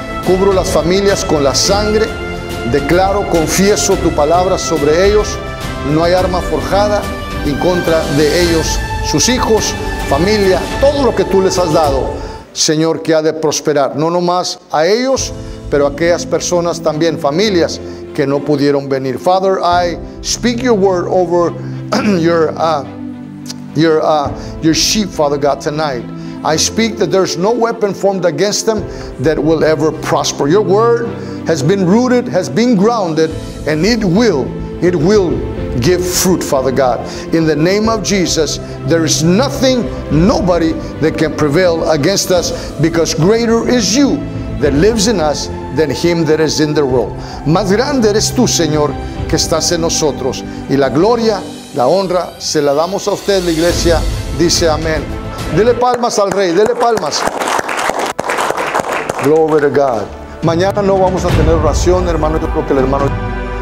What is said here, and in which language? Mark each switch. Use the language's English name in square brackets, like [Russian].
[Spanish] Cubro las familias con la sangre, declaro, confieso tu palabra sobre ellos. No hay arma forjada en contra de ellos, sus hijos, familia, todo lo que tú les has dado, Señor, que ha de prosperar. No nomás a ellos, pero aquellas personas también, familias que no pudieron venir. [English] Father, I speak your word over your sheep, Father God, tonight. I speak that there's no weapon formed against them that will ever prosper. Your word has been rooted, has been grounded, and it will give fruit, Father God. In the name of Jesus, there is nothing, nobody that can prevail against us, because greater is you that lives in us than him that is in the world. [Spanish] Más grande eres tú, Señor, que estás en nosotros. Y la gloria, la honra, se la damos a usted, la iglesia. Dice amén. Dele palmas al rey, dele palmas. [English] Glory to God. [Spanish] Mañana no vamos a tener oración, hermano. Yo creo que el hermano...